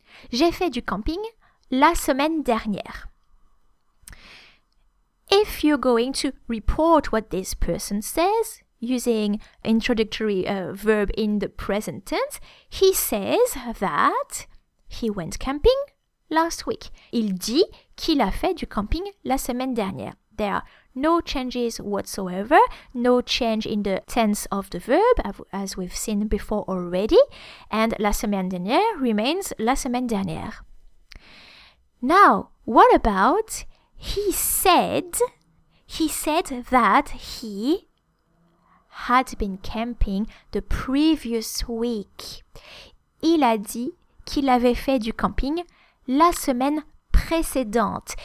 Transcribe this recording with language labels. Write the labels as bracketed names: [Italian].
[French] J'ai fait du camping la semaine dernière. [English] If you're going to report what this person says using introductory verb in the present tense, he says that he went camping last week. [French] Il dit qu'il a fait du camping la semaine dernière. [English] There are no changes whatsoever, no change in the tense of the verb, as we've seen before already, and la semaine dernière remains la semaine dernière. Now, what about he said that he had been camping the previous week. [French] Il a dit qu'il avait fait du camping la semaine précédente.